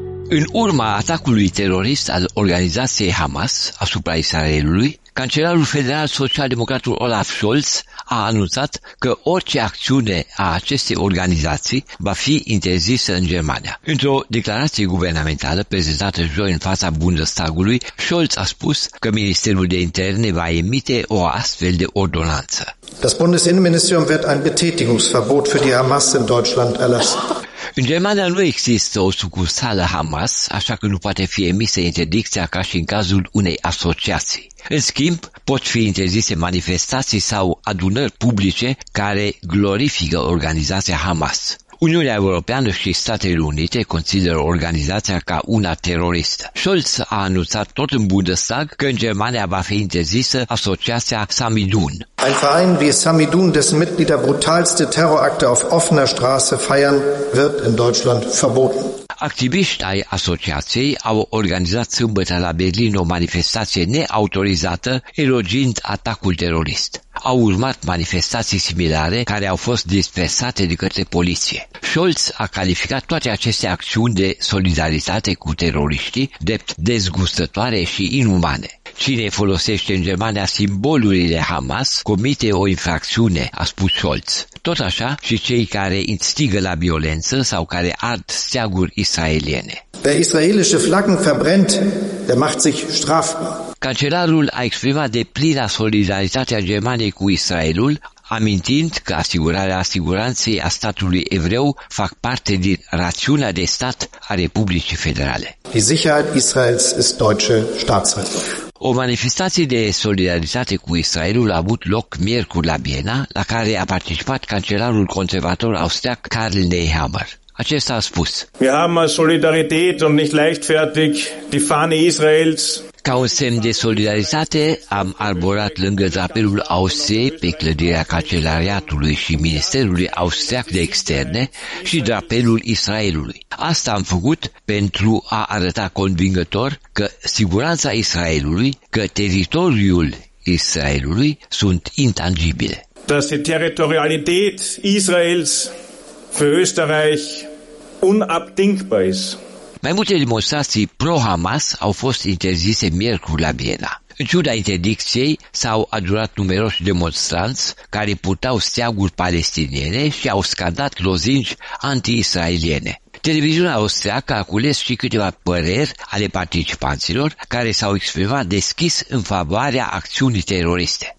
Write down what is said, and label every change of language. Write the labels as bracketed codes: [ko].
[ro] În urma atacului terorist al organizației Hamas asupra Israelului, cancelarul federal social-democratul Olaf Scholz a anunțat că orice acțiune a acestei organizații va fi interzisă în Germania. Într-o declarație guvernamentală prezentată joi în fața Bundestagului, Scholz a spus că Ministerul de Interne va emite o astfel de ordonanță. [de] Das Bundesinnenministerium wird ein Betätigungsverbot für die Hamas in Deutschland erlassen. [ro] În Germania nu există o sucursală Hamas, așa că nu poate fi emisă interdicția ca și în cazul unei asociații. În schimb, pot fi interzise manifestații sau adunări publice care glorifică organizația Hamas. Uniunea Europeană și Statele Unite consideră organizația ca una teroristă. Scholz a anunțat tot în Bundestag că în Germania va fi interzisă asociația Samidun. [de] Ein Verein wie Samidun, dessen Mitglieder brutalste Terrorakte auf offener Straße feiern, wird in Deutschland verboten. [ro] Activiști ai asociației au organizat sâmbătă la Berlin o manifestație neautorizată elogind atacul terorist. Au urmat manifestații similare care au fost dispersate de către poliție. Scholz a calificat toate aceste acțiuni de solidaritate cu teroriștii drept dezgustătoare și inumane. Cine folosește în Germania simbolurile Hamas comite o infracțiune, a spus Scholz. Tot așa și cei care instigă la violență sau care ard steaguri israeliene. [de] Wer israelische Flaggen verbrennt, der macht sich strafbar. [ro] Cancelarul a exprimat deplina solidaritate a Germaniei cu Israelul, amintind că asigurarea siguranței a statului evreu fac parte din rațiunea de stat a Republicii Federale. [de] Die Sicherheit Israels ist deutsche Staatsrecht. [ro] O manifestație de solidaritate cu Israelul a avut loc miercuri la Viena, la care a participat cancelarul conservator austriac Karl Nehammer. Acesta a spus: [de] Wir haben als Solidarität und nicht leichtfertig die Fahne Israels. [ro] Ca un semn de solidaritate, am arborat lângă drapelul Austriei pe clădirea cancelariatului și Ministerului Austriac de Externe și drapelul Israelului. Asta am făcut pentru a arăta convingător că siguranța Israelului, că teritoriul Israelului sunt intangibile. [de] Dass die Territorialität Israels für Österreich unabdingbar ist. [ro] Mai multe demonstrații pro-Hamas au fost interzise miercuri la Viena. În ciuda interdicției s-au adunat numeroși demonstranți care purtau steaguri palestiniene și au scandat lozinci anti-israeliene. Televiziunea austriacă a cules și câteva păreri ale participanților care s-au exprimat deschis în favoarea acțiunii teroriste.